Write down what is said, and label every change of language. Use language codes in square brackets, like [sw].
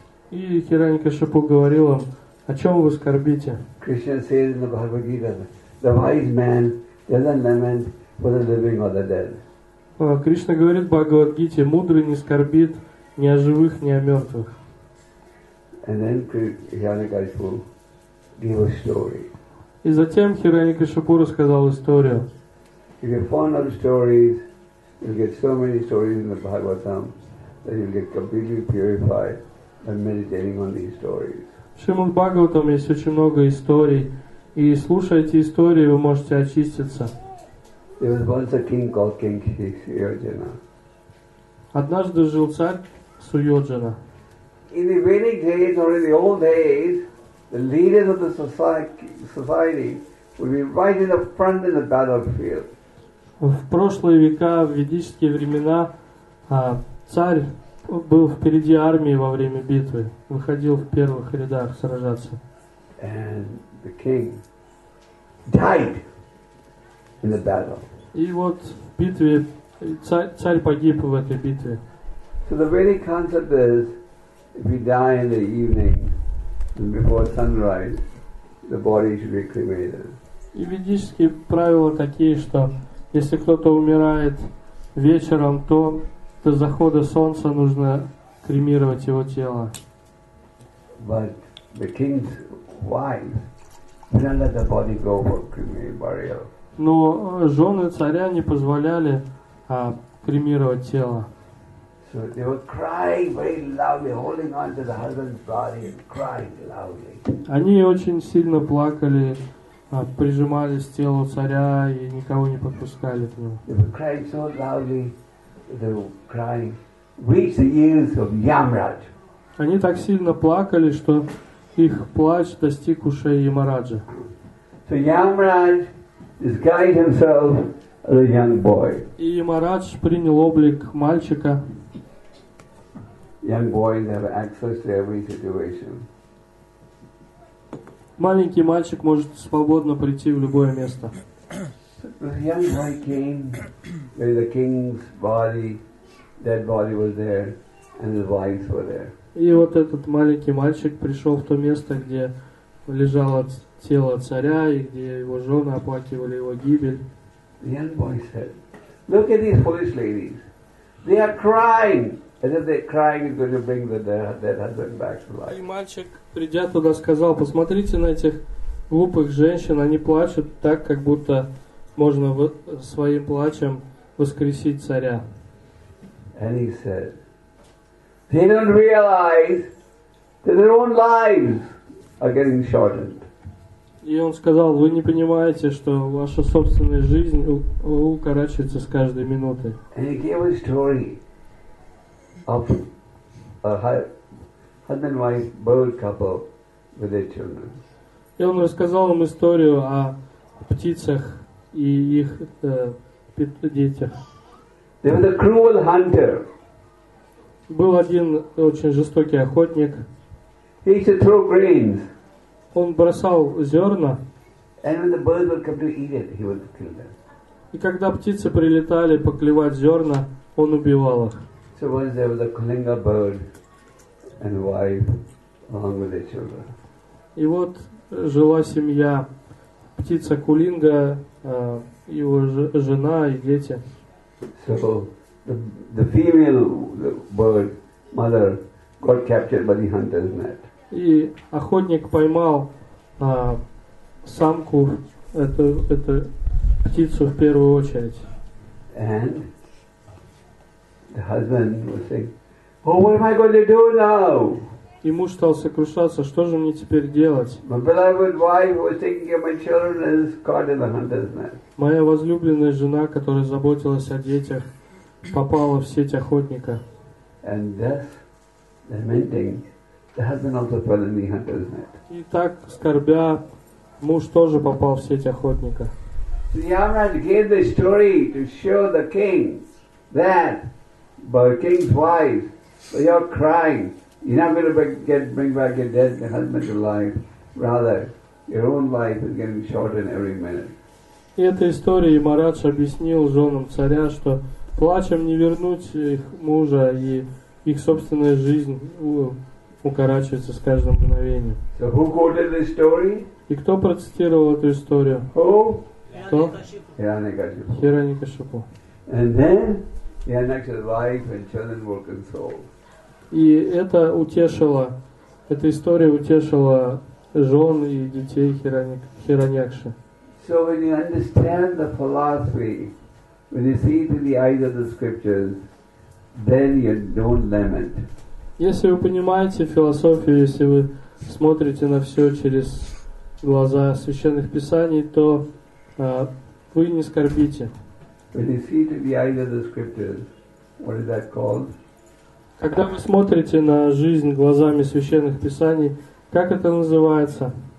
[ru] И Хираньякашипу говорил им, о чем вы скорбите? [en] Krishna says in the Bhagavad Gita, the wise man doesn't lament for the living or the dead. [ru] Кришна говорит в Бхагавад-гите, мудрый не скорбит ни о живых, ни о мертвых. [en] And then Hiranyakashipu gave a story. [ru] И затем Хираньякашипу рассказал историю. [en] If you're fond of stories, you'll get so many stories in the Bhagavatam that you'll get completely purified by meditating on these stories. [ru] В Шримад Бхагаватам есть очень много историй, и слушая эти истории, вы можете очиститься. [en] There was once a king called King Suyojana. [ru] Однажды жил царь Суйоджана. [en] In the Vedic days or in the old days, the leaders of the society would be right in the front in the battlefield. [ru] В прошлые века, в ведические времена, царь был впереди армии во время битвы, выходил в первых рядах сражаться. [en] And the king died. in the battle. [ru] И вот битве царь погиб в этой битве. [en] So the Vedic concept is, if you die in the evening and before sunrise, the body should be cremated. [ru] И ведические правила такие, что если кто-то умирает вечером, то до захода солнца нужно кремировать его тело. [en] But the king's wife didn't let the body go for cremation burial. [ru] Но жены царя не позволяли кремировать тело. [en] So they were crying very loudly, holding on to the husband's body and crying loudly. [ru] Они очень сильно плакали, прижимались к телу царя и никого не подпускали к нему. [en] They were crying so loudly, they were crying, reach the ears of Yamraj. [ru] Они так сильно плакали, что их плач достиг ушей Ямараджа. [en] So Yamraj disguised himself as a young boy. [ru] И Ямарадж принял облик мальчика. [en] Young boys have access to every situation. [ru] Маленький мальчик может свободно прийти в любое место. [en] The young boy came where the king's body, dead body was there, and his wives were there. [ru] И вот этот маленький мальчик пришел в то место, где лежало тело царя и где его жены оплакивали его гибель. [en] The young boy said, "Look at these foolish ladies. They are crying." And if they're crying, it's going to bring the dead husband back to life. [ru] И мальчик, придя туда, сказал: "Посмотрите на этих глупых женщин. Они плачут так, как будто можно своим плачем воскресить царя." [en] And he said, "They don't realize that their own lives are getting shortened." [ru] И он сказал: "Вы не понимаете, что ваша собственная жизнь укорачивается с каждой минуты." [en] And he gave a story of a husband-wife bird couple with their children. [ru] И он рассказал им историю о птицах и их детях. [en] There was a cruel hunter. [ru] Был один очень жестокий охотник. [en] He used to throw grains. [ru] Он бросал зерна. [en] And when the birds would come to eat it, he would kill them. [ru] И когда птицы прилетали поклевать зерна, он убивал их. [en] So once there was a Kalinga bird and wife along with their children. [ru] И вот жила семья, птица Кулинга, его жена и дети. [en] So the female bird mother got captured by the hunter's net. [ru] И охотник поймал самку, эту птицу в первую очередь. [en] And the husband was saying, "Oh, what am I going to do now?" [ru] И муж стал сокрушаться, что же мне теперь делать? [en] My beloved wife who was taking care of my children is caught in the hunter's net. [ru] Моя возлюбленная жена, которая заботилась о детях, попала в сеть охотника. [en] And thus, lamenting, the husband also fell in the hunter's net. [ru] И так, скорбя, муж тоже попал в сеть охотника. [en] So Yamraj gave this story to show the king that, but king's wife, so you're crying. You're not going to bring back your dead husband to life. Rather, your own life is getting shortened every minute. [ru] И эта история, Ямарадж объяснил женам царя, что плачем не вернуть их мужа, и их собственная жизнь укорачивается с каждым мгновением. [en] So who quoted this story? [ru] И кто процитировал эту историю? [en] Who? [ru] Кто? Хираньякашипу. Хираньякашипу. [en] And then Hiranyakashipu's wife and children were consoled. [ru] И это утешило, эта история утешила жен и детей Хираньякши. [en] So when you understand the philosophy, when you see it in the eyes of the scriptures, then you don't lament. [ru] Если вы понимаете философию, если вы смотрите на все через глаза священных писаний, то вы не скорбите. [en] When you see it in the eyes of the scriptures, what is that called? [ru] Когда вы смотрите на жизнь глазами священных писаний, как это называется?